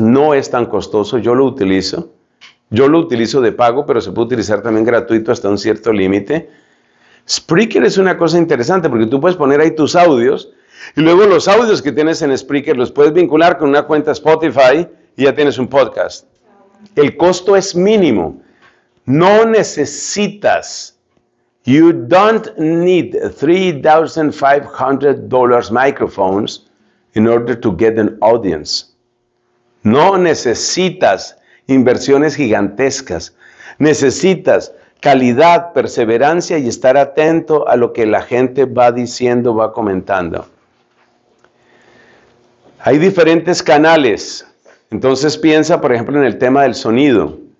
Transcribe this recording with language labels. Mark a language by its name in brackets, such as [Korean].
[Spanish] No es tan costoso. Yo lo utilizo. Yo lo utilizo de pago, pero se puede utilizar también gratuito hasta un cierto límite. Spreaker es una cosa interesante porque tú puedes poner ahí tus audios y luego los audios que tienes en Spreaker los puedes vincular con una cuenta Spotify y ya tienes un podcast. El costo es mínimo. No necesitas, [English] you don't need $3,500 microphones in order to get an audience. [Spanish] No necesitas inversiones gigantescas. Necesitas calidad, perseverancia y estar atento a lo que la gente va diciendo, va comentando. Hay diferentes canales. Entonces piensa, por ejemplo, en el tema del sonido.